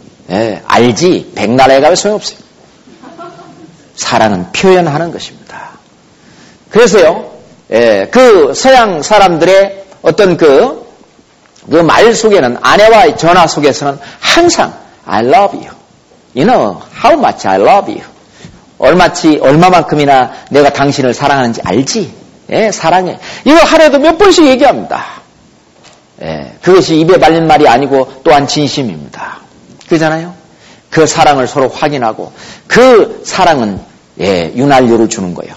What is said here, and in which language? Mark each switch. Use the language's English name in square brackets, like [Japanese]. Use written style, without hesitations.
[Korean] 예, 알지? 백날에 가면 소용없어요. 사랑은 표현하는 것입니다. 그래서요, 예, 그 서양 사람들의 어떤 그 말 속에는, 아내와의 전화 속에서는 항상 [English] I love you. You know how much I love you. [Korean] 얼마만큼이나 내가 당신을 사랑하는지 알지? 예, 사랑해. 이거 하루에도 몇 번씩 얘기합니다. 예, 그것이 입에 발린 말이 아니고 또한 진심입니다. 그잖아요? 그 사랑을 서로 확인하고 그 사랑은 예, 윤활유를 주는 거예요.